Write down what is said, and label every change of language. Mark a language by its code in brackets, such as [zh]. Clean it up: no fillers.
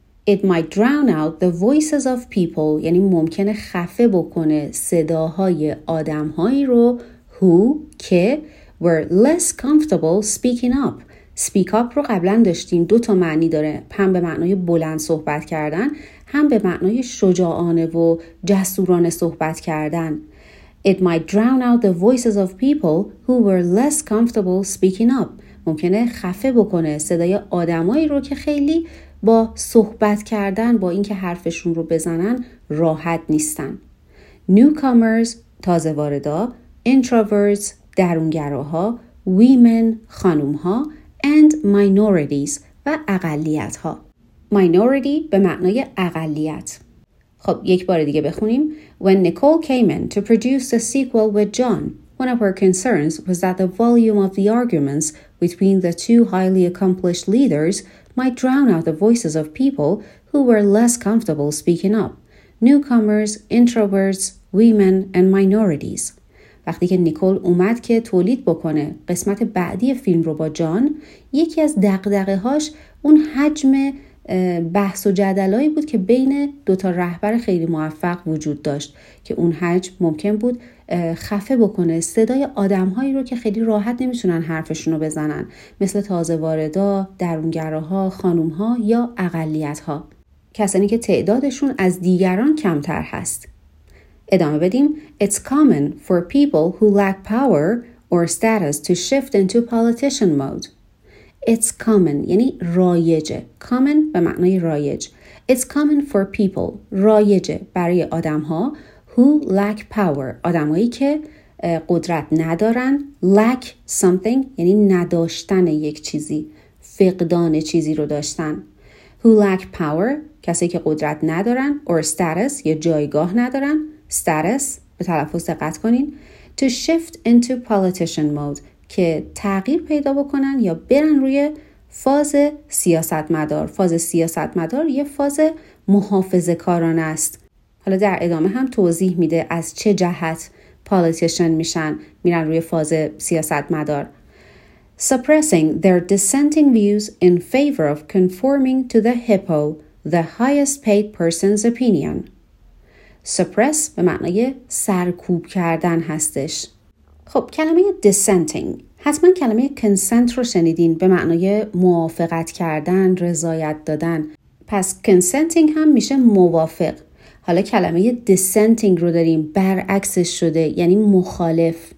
[en] It might drown out the voices of people, [fa] یعنی ممکنه خفه بکنه صداهای آدمهایی رو [en] who که were less comfortable speaking up. [fa] Speak up رو قبلا داشتیم، دو تا معنی داره، هم به معنای بلند صحبت کردن، هم به معنای شجاعانه و جسورانه صحبت کردن. [en] It might drown out the voices of people who were less comfortable speaking up. [fa] ممکنه خفه بکنه صدای آدمایی رو که خیلی با صحبت کردن، با اینکه حرفشون رو بزنن راحت نیستن. Newcomers تازه واردا، introverts درونگراها، women خانومها، [en] and minorities [fa] و اقلیتها. Minority به معنای اقلیت. خب یک بار دیگه بخونیم. [en] When Nicole came in to produce the sequel with John, one of her concerns was that the volume of the arguments between the two highly accomplished leaders might drown out the voices of people who were less comfortable speaking up. Newcomers, introverts, women, and minorities. [fa] وقتی که نیکول اومد که تولید بکنه قسمت بعدی فیلم رو با جان، یکی از دغدغه هاش اون حجم بحث و جدلایی بود که بین دوتا رهبر خیلی موفق وجود داشت که اون حجم ممکن بود خفه بکنه صدای آدمهایی رو که خیلی راحت نمیتونن حرفشون رو بزنن، مثل تازه واردا، درونگراها، خانومها یا اقلیتها، کسانی که تعدادشون از دیگران کمتر هست. ادامه بدیم. [en] It's common for people who lack power or status to shift into politician mode. It's common [fa] یعنی رایجه. Common به معنای رایج. [en] It's common for people، [fa] رایجه برای آدم ها، [en] who lack power، [fa] آدمایی که قدرت ندارن، lack something یعنی نداشتن یک چیزی، فقدان چیزی رو داشتن، who lack power، کسی که قدرت ندارن، or status یا جایگاه ندارن، status به تلفظ دقت کنین، [en] to shift into politician mode [fa] که تغییر پیدا بکنن یا برن روی فاز سیاستمدار. فاز سیاستمدار یه فاز محافظه‌کارانه است. حالا در ادامه هم توضیح میده از چه جهت پالیتیشن میشن، میرن روی فاز سیاستمدار. [en] Suppressing their dissenting views in favor of conforming to the hippo, the highest paid person's opinion. [fa] Suppress به معنی سرکوب کردن هستش. خب کلمه dissenting، حتما کلمه consent رو شنیدین، به معنای موافقت کردن، رضایت دادن. پس consenting هم میشه موافق. حالا کلمه dissenting رو داریم، برعکسش شده، یعنی مخالف.